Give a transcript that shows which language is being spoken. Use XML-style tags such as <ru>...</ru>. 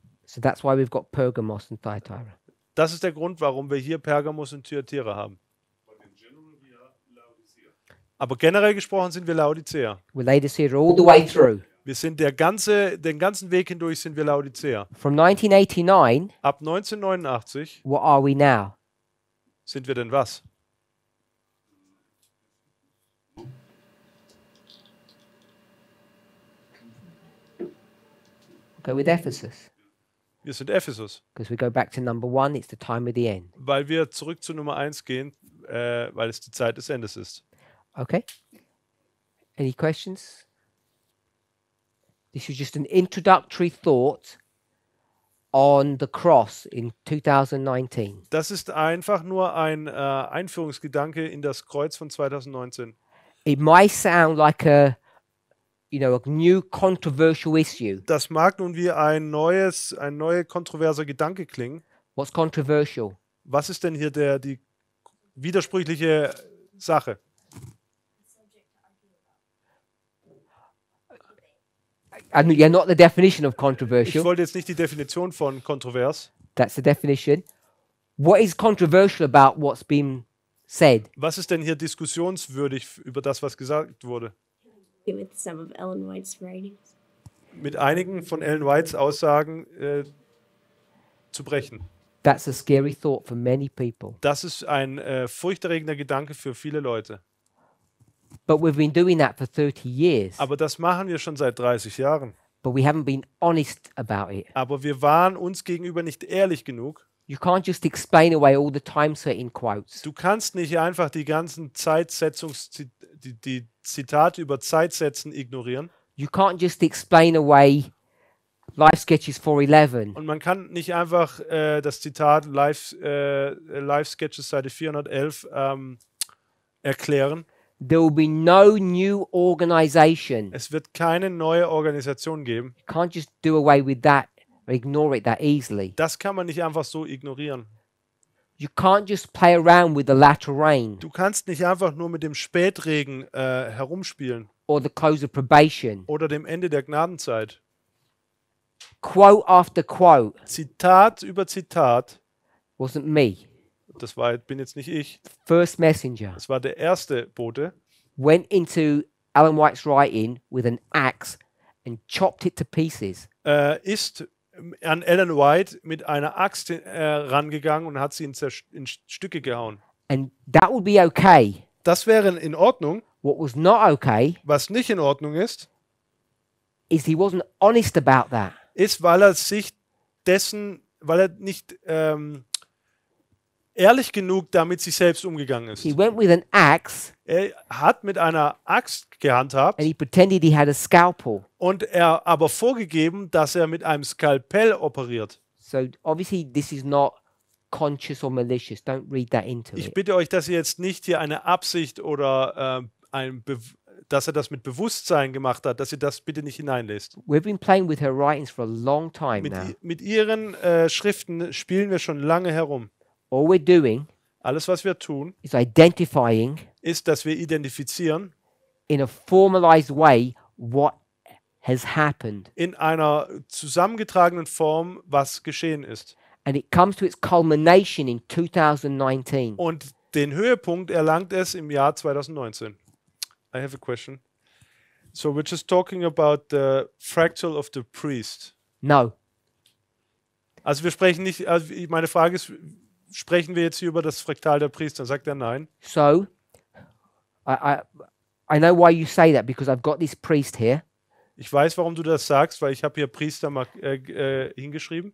<en>So that's why we've got Pergamos and Thyatira.</en> <de>Das ist der Grund, warum wir hier Pergamos und Thyatira haben. Aber generell gesprochen sind wir Laodicea.</de> <en>We're Laodicea all the way through.</en> <de>Wir sind den ganzen Weg hindurch sind wir Laodicea.</de> <en>From 1989.</en> <de>Ab 1989.</de> <en>What are we now?</en> <de>Sind wir denn was?</de> <en>Go with Ephesus.</en> <de>Wir sind Ephesus.</de> <en>Because we go back to number one, it's the time of the end.</en> <de>Weil wir zurück zu Nummer 1 gehen, weil es die Zeit des Endes ist.</de> <en>Okay. Any questions? This is just an introductory thought on the cross in 2019.</en> <de>Das ist einfach nur ein Einführungsgedanke in das Kreuz von 2019.</de> <en>It might sound like a new controversial issue.</en> <de>Das mag nun wie ein neuer kontroverser Gedanke klingen.</de> <en>What's controversial?</en> <de>Was ist denn hier die widersprüchliche Sache?</de> <en>And yeah, not the definition of controversial.</en> <de>Ich wollte jetzt nicht die Definition von kontrovers.</de> <en>That's the definition. What is controversial about what's been said?</en> <de>Was ist denn hier diskussionswürdig über das, was gesagt wurde?</de> <en>With some of Ellen White's writings.</en> <de>Mit einigen von Ellen White's Aussagen zu brechen.</de> <en>That's a scary thought for many people.</en> <de>Das ist ein furchterregender Gedanke für viele Leute.</de> <en>But we've been doing that for 30 years.</en> <de>Aber das machen wir schon seit 30 Jahren.</de> <en>But we haven't been honest about it.</en> <de>Aber wir waren uns gegenüber nicht ehrlich genug.</de> <en>You can't just explain away all the time certain quotes.</en> <de>Du kannst nicht einfach die ganzen Zitate über Zeitsätzen ignorieren.</de> <en>You can't just explain away Life Sketches 411.</en> <de>Und man kann nicht einfach das Zitat Life Sketches Seite 411 erklären.</de> <en>There will be no new organization.</en> <de>Es wird keine neue Organisation geben.</de> <en>You can't just do away with that, or ignore it that easily.</en> <de>Das kann man nicht einfach so ignorieren.</de> <en>You can't just play around with the latter rain.</en> <de>Du kannst nicht einfach nur mit dem Spätregen herumspielen.</de> <en>Or the close of probation.</en> <de>Oder dem Ende der Gnadenzeit.</de> <en>Quote after quote.</en> <de>Zitat über Zitat.</de> <en>Wasn't me.</en> <de>Das war, bin jetzt nicht ich.</de> <en>First messenger.</en> <de>Das war der erste Bote.</de> <en>Went into Ellen White's writing with an axe and chopped it to pieces.</en> <de>Ist an Ellen White mit einer Axt rangegangen und hat sie in Stücke gehauen.</de> <en>And that would be okay.</en> <de>Das wäre in Ordnung.</de> <en>What was not okay?</en> <de>Was nicht in Ordnung ist?</de> <en>Is he wasn't honest about that?</en> <de>Ist, weil er nicht ehrlich genug damit sich selbst umgegangen ist.</de> <en>He went with an axe,</en> <de>er hat mit einer Axt gehandhabt</de> <en>and he pretended he had a scalpel.</en> <de>Und er aber vorgegeben, dass er mit einem Skalpell operiert.</de> <en>So obviously this is not conscious or malicious. Don't read that into</en> <de>it. Ich bitte euch, dass ihr jetzt nicht hier eine Absicht oder dass er das mit Bewusstsein gemacht hat, dass ihr das bitte nicht hineinlässt.</de> <en>We've been playing with her writings for a long time now.</en> <de>Mit ihren Schriften spielen wir schon lange herum.</de> <en>All we're doing,</en> <de>alles was wir tun,</de> <en>is identifying,</en> <de>ist, dass wir identifizieren,</de> <en>in a formalized way, what has happened,</en> <de>in einer zusammengetragenen Form, was geschehen ist,</de> <en>and it comes to its culmination in 2019.</en> <de>Und den Höhepunkt erlangt es im Jahr 2019.</de> <en>I have a question. So we're just talking about the fractal of the priest. No.</en> <de>Also wir sprechen nicht. Also meine Frage ist, sprechen wir jetzt hier über das Fraktal der Priester? Sagt er nein.</de> <en>So, I know why you say that, because I've got this priest here.</en> <de>Ich weiß, warum du das sagst, weil ich habe hier Priester mal hingeschrieben.</de>